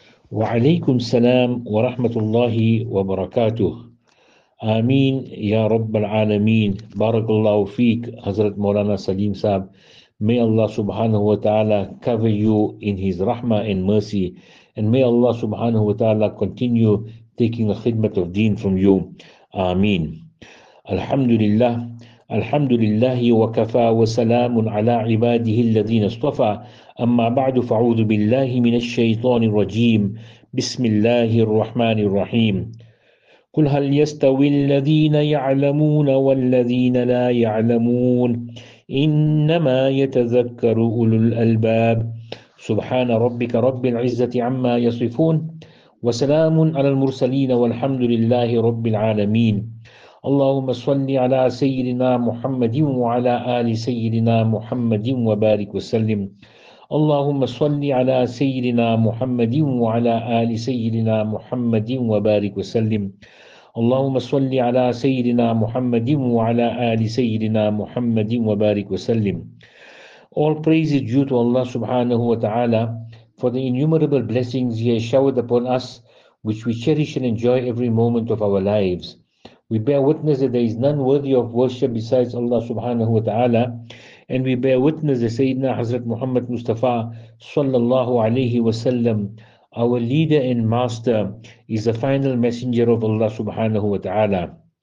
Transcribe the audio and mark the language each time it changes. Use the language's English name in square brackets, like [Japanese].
[Arabic] وعليكم السلام ورحمة الله وبركاته. آمين يا رب العالمين. بارك الله فيك حضرت مولانا سليم صاحب. [English] May Allah subhanahu wa ta'ala cover you in his rahmah and mercy. And may Allah subhanahu wa ta'ala continue taking the khidmat of deen from you. [Arabic] Ameen. Alhamdulillah. Alhamdulillahi wa kafa wa salamun ala ibadihi alladhina astafa. Amma ba'du fa'udhu billahi minash shaytanir rajim. Bismillahir Rahmanir Rahim. قل هل يستوي الذين يعلمون والذين لا يعلمون إنما يتذكر أولو الألباب سبحان ربك رب العزة عما يصفون وسلام على المرسلين والحمد لله رب العالمين اللهم صل على سيدنا محمد وعلى آل سيدنا محمد وبارك وسلم اللهم صل على سيدنا محمد وعلى آل سيدنا محمد وبارك وسلم اللهم صل على سيدنا محمد وعلى آل سيدنا محمد وبارك وسلم. [English] All praise is due to Allah subhanahu wa ta'ala for the innumerable blessings He has showered upon us, which we cherish and enjoy every moment of our lives. We bear witness that there is none worthy of worship besides Allah subhanahu wa ta'ala, and we bear witness that Sayyidina Hazrat Muhammad Mustafa sallallahu alayhi wa sallam, our leader and master, is the final messenger of Allah subhanahu wa ta'ala.